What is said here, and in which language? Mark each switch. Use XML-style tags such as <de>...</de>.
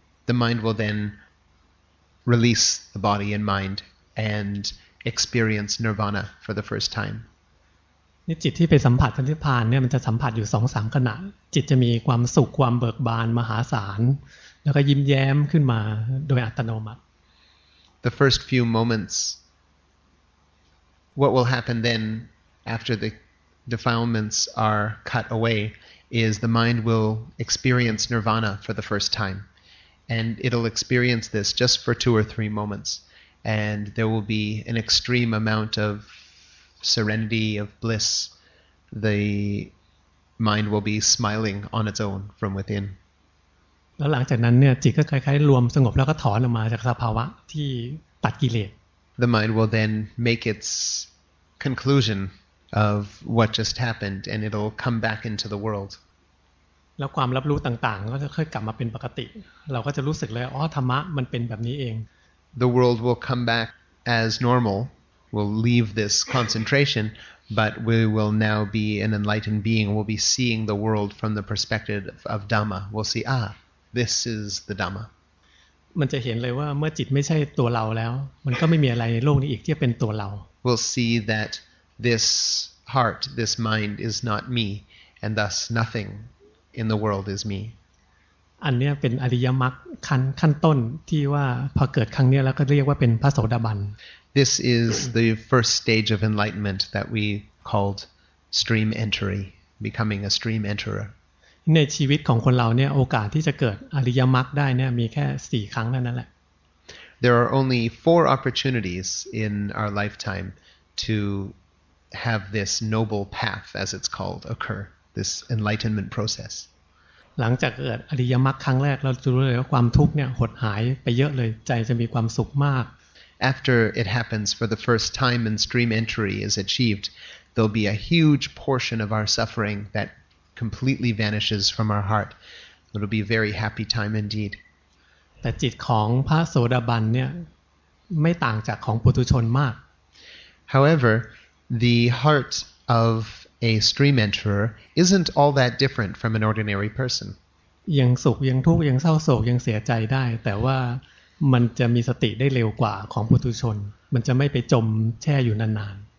<en>The mind will then release the body and mind and experience nirvana for the first time.</en> <th>จิตที่ไปสัมผัสพันธิพาลเนี่ยมันจะสัมผัสอยู่ 2-3 ขณะจิตจะมีความสุขความเบิกบานมหาศาลแล้วก็ยิ้มแย้มขึ้นมาโดยอัตโนมัติ</th> <en>The first few moments, what will happen then after the defilements are cut away is the mind will experience nirvana for the first time. And it'll experience this just for 2 or 3 moments. And there will be an extreme amount of serenity, of bliss. The mind will be smiling on its own from within.</en> <th>แล้วหลังจากนั้นเนี่ยจิตก็คล้ายๆรวมสงบแล้วก็ถอนออกมาจากสภาวะที่ตัดกิเลส</th> <en>The mind will then make its conclusion of what just happened and it'll come back into the world</en> <th>แล้วความรับรู้ต่างๆก็จะค่อยกลับมาเป็นปกติเราก็จะรู้สึกเลยอ๋อธรรมะมันเป็นแบบนี้เอง</th> <en>The world will come back as normal we'll leave this concentration but we will now be an enlightened being we'll be seeing the world from the perspective of Dhamma we'll see This is the Dhamma.</en> <th>มันจะเห็นเลยว่าเมื่อจิตไม่ใช่ตัวเราแล้วมันก็ไม่มีอะไรในโลกนี้อีกที่เป็นตัวเรา</th> <en>We'll see that this heart, this mind is not me, and thus nothing in the world is me.</en> <th>อันนี้เป็นอริยมรรคขั้นต้นที่ว่าพอเกิดครั้งนี้แล้วก็เรียกว่าเป็นพระโสดาบัน</th> <en>This is the first stage of enlightenment that we called stream entry, becoming a stream enterer.</en> <th>ในชีวิตของคนเราเนี่ยโอกาสที่จะเกิดอริยมรรคได้เนี่ยมีแค่4ครั้งเท่านั้นแหละ</th> <en>There are only 4 opportunities in our lifetime to have this noble path as it's called occur this enlightenment process.</en> <th>หลังจากเกิดอริยมรรคครั้งแรกเราจะรู้เลยว่าความทุกข์เนี่ยหดหายไปเยอะเลยใจจะมีความสุขมาก</th> <en>After it happens for the first time and stream entry is achieved, there'll be a huge portion of our suffering that completely vanishes from our heart. It'll be a very happy time indeed.</en> <th>แต่จิตของพระโสดาบันเนี่ยไม่ต่างจากของปุถุชนมาก</th> <en>However, the heart of a stream enterer isn't all that different from an ordinary person.</en> <th>ยังสุขยังทุกข์ยังเศร้าโศกยังเสียใจได้แต่ว่ามันจะมีสติได้เร็วกว่าของปุถุชนมันจะไม่ไปจมแช่อยู่นาน</th>